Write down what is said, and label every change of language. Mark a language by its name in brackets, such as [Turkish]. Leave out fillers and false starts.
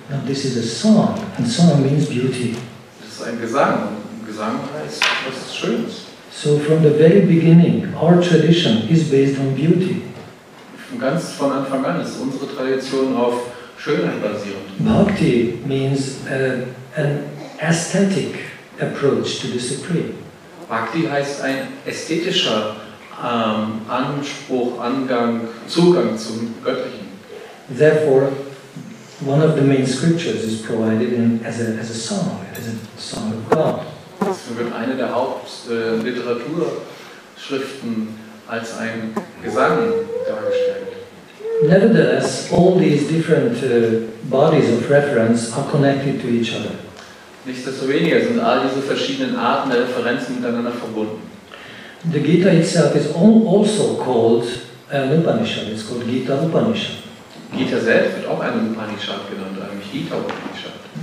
[English] No, this is a song, and song means beauty. [German] Das ist ein Gesang. Gesang heißt was Schönes. [English] So from the very beginning, our tradition is based on beauty. [German] Ganz von Anfang an ist unsere Tradition auf Schönheit basierend. [English] Bhakti means an aesthetic approach to the supreme. [German] Bhakti heißt ein ästhetischer Anspruch, Angang, Zugang zum Göttlichen. [English] Therefore, one of the main scriptures is provided in, as a song, as a song of God. [German] Es wird eine der Hauptliteraturschriften als ein Gesang dargestellt. [English] Nevertheless, all these different bodies of reference are connected to each other. [German] Nichtsdestoweniger sind all diese verschiedenen Arten der Referenzen miteinander verbunden. [English] The Gita itself is also called an Upanishad. It's called Gita Upanishad. [German] Gita selbst wird auch eine Upanishad genannt, eigentlich Gita Upanishad.